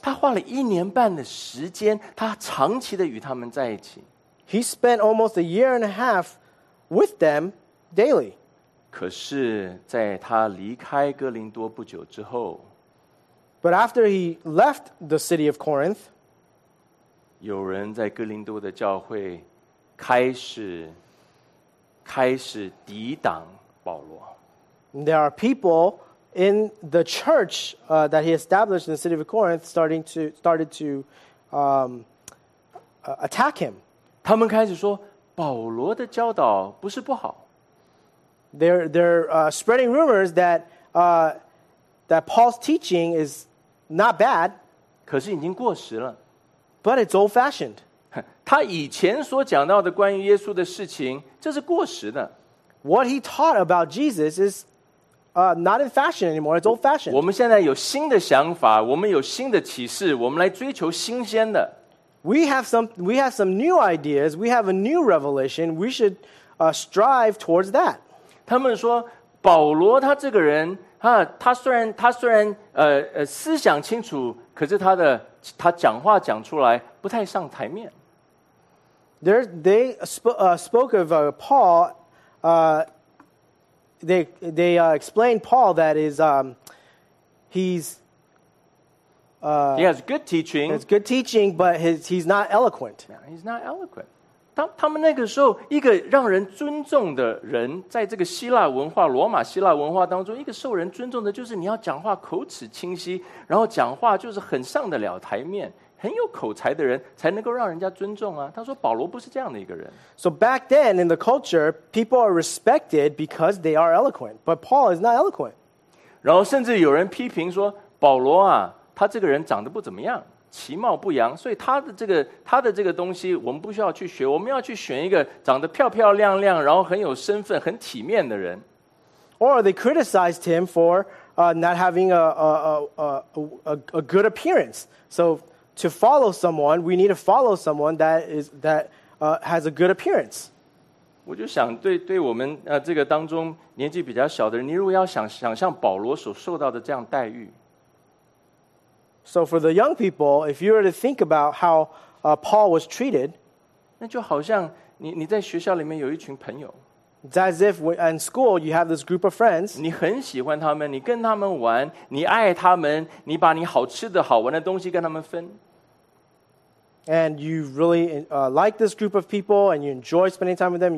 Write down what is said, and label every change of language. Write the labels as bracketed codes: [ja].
[zh] 他花了一年半的时间，他长期的与他们在一起。 [en] He spent almost a year and a half with them daily. [zh] 可是在他离开哥林多不久之后， [en] But after he left the city of Corinth, [zh] 有人在哥林多的教会开始抵挡保罗。 [en] There are people in the church that he established in the city of Corinth started to attack him. [zh] 他们开始说保罗的教导不是不好。 [en] They're spreading rumors that Paul's teaching is Not bad. [zh] 可是已经过时了。 [en] But it's old-fashioned. [zh] 他以前所讲到的关于耶稣的事情，这是过时的。 [en] What he taught about Jesus is Not in fashion anymore. It's old fashioned. [zh] 我们现在有新的想法，我们有新的启示，我们来追求新鲜的。 [en] We have some new ideas. We have a new revelation. We should strive towards that. [zh] 他们说保罗他这个人啊，他虽然思想清楚，可是他讲话讲出来不太上台面。 [en] They spoke of Paul. They explained Paul that is he's. He has good teaching. He has good teaching, but he's not eloquent. Yeah, he's not eloquent. [zh] 他们那个时候一个让人尊重的人，在这个希腊文化、罗马希腊文化当中，一个受人尊重的就是你要讲话口齿清晰，然后讲话就是很上得了台面。很有口才的人才能够让人家尊重啊！他说保罗不是这样的一个人。 [en] So back then in the culture, people are respected because they are eloquent. But Paul is not eloquent. [zh] 然后甚至有人批评说保罗啊，他这个人长得不怎么样，其貌不扬，所以他的这个东西我们不需要去学，我们要去选一个长得漂漂亮亮，然后很有身份、很体面的人。 [en] Or they criticized him for not having a good appearance. So. To follow someone, we need to follow someone that has a good appearance. [zh] 我就想对我们这个当中年纪比较小的人，你如果要想象保罗所受到的这样待遇。 [en] So for the young people, if you were to think about how Paul was treated, [zh] 那就好像你在学校里面有一群朋友。 [en] It's as if in school you have this group of friends. [zh] 你很喜欢他们，你跟他们玩，你爱他们，你把你好吃的好玩的东西跟他们分。 [en] And you really like this group of people, and you enjoy spending time with them.